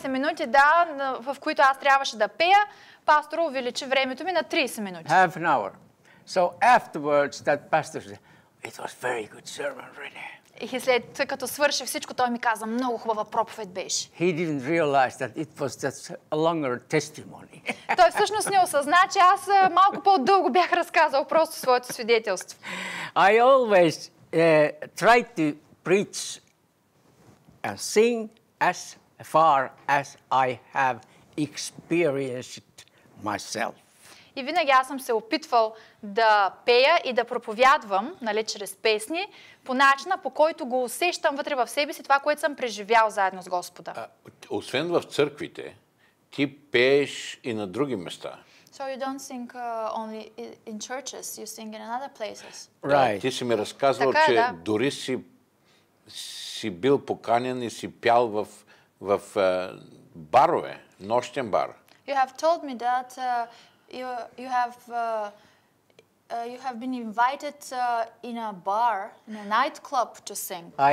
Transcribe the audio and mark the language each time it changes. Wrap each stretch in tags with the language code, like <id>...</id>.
<bg>15 минути, да, в които аз трябваше да пея, пастор увеличи времето ми на 30 минути.</bg> <en>Half an hour. So afterwards, that pastor said, it was very good sermon, René.</en> <bg>И след като свърши всичко, той ми каза, много хубава проповед беше.</bg> <en>He didn't realize that it was just a longer testimony.</en> <bg>Той всъщност не осъзна, че аз малко по-дълго бях разказал просто своето свидетелство.</bg> <en>I always try to preach and sing as far as I have experienced myself.</en> <bg>И винаги аз съм се опитвал да пея и да проповядвам, нали, чрез песни, по начина, по който го усещам вътре в себе си това, което съм преживял заедно с Господа. Освен в църквите, ти пееш и на други места.</bg> <en>So you don't sing only in churches, you sing in other places. Right.</en> <bg>Ти си ми разказвал, така, че да, дори си бил поканен и си пял в барове, нощен бар.</bg> <en>You have told me that you have been invited in a bar, in a nightclub to sing.</en>